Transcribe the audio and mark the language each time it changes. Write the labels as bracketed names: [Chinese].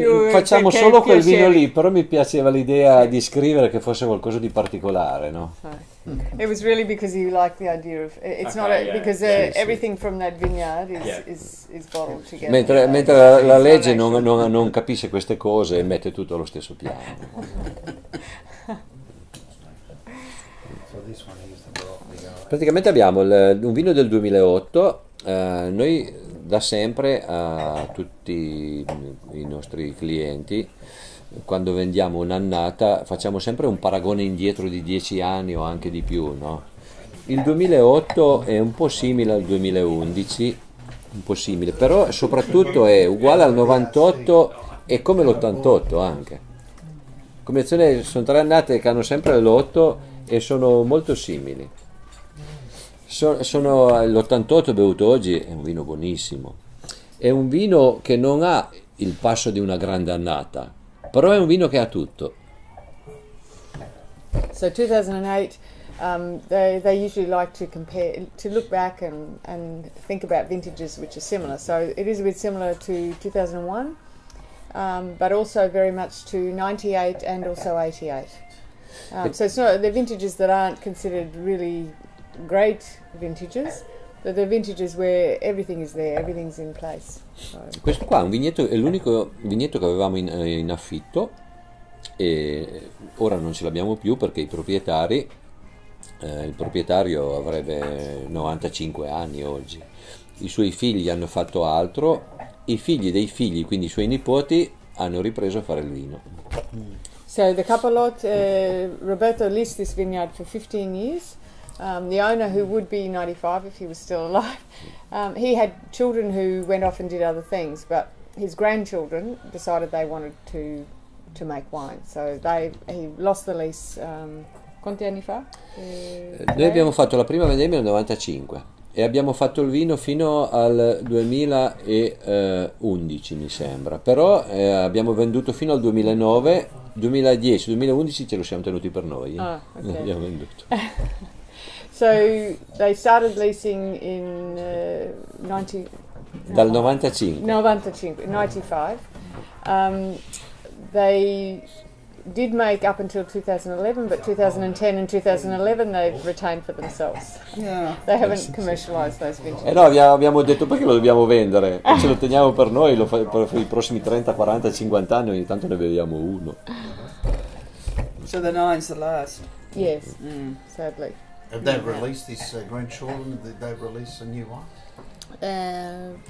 [Italian] facciamo solo quel vino lì, però mi piaceva l'idea di scrivere che fosse qualcosa di particolare, no? [English] It was really because he liked the idea of it's not a, yeah. Because yeah, a, everything from that vineyard is, yeah. is bottled together. [Italian] Mentre [English] yeah. [Italian] mentre la legge non capisce queste cose e mette tutto allo stesso piano. [English] So this one is the Barolo. [Italian] Praticamente abbiamo un vino del 2008. Noi da sempre a tutti i nostri clienti, quando vendiamo un'annata, facciamo sempre un paragone indietro di 10 anni o anche di più, no? Il 2008 è un po' simile al 2011, un po' simile, però soprattutto è uguale al 98 e come l'88 anche. Come azione sono tre annate che hanno sempre l'8 e sono molto simili. Sono l'88 bevuto oggi, è un vino buonissimo. È un vino che non ha il passo di una grande annata, però è un vino che ha tutto. [English] So 2008, they usually like to compare, to look back and think about vintages which are similar. So it is a bit similar to 2001, but also very much to 98 and also 88. So it's not the vintages that aren't considered really great vintages, but the vintages where everything is there, everything's in place. So. [Italian] Questo qua è un vigneto, è l'unico vigneto che avevamo in affitto e ora non ce l'abbiamo più perché i proprietari, il proprietario avrebbe 95 anni oggi, i suoi figli hanno fatto altro, i figli dei figli, quindi i suoi nipoti, hanno ripreso a fare il vino. [English] So the couple lot, Roberto leased this vineyard for 15 years. The owner, who would be 95 if he was still alive, he had children who went off and did other things, but his grandchildren decided they wanted to make wine. So he lost the lease. [Italian] Quanti anni fa? Noi abbiamo fatto la prima vendemmia nel 95 e abbiamo fatto il vino fino al 2011, mi sembra. Però abbiamo venduto fino al 2009, 2010, 2011 ce lo siamo tenuti per noi. [English] Ah, okay. [Italian] Abbiamo venduto. [English] So they started leasing in 90. [Italian] Dal 95. 95. [English] They did make up until 2011, but 2010 and 2011 they've retained for themselves. Yeah. They haven't commercialized those vintages. [Italian] Eh no, abbiamo detto perché lo dobbiamo vendere? Ce lo teniamo per noi, lo fai per i prossimi 30, 40, 50 anni, ogni tanto ne beviamo uno. [English] So the nine's the last. Yes, sadly. Have they released this grandchildren? Did they release a new one?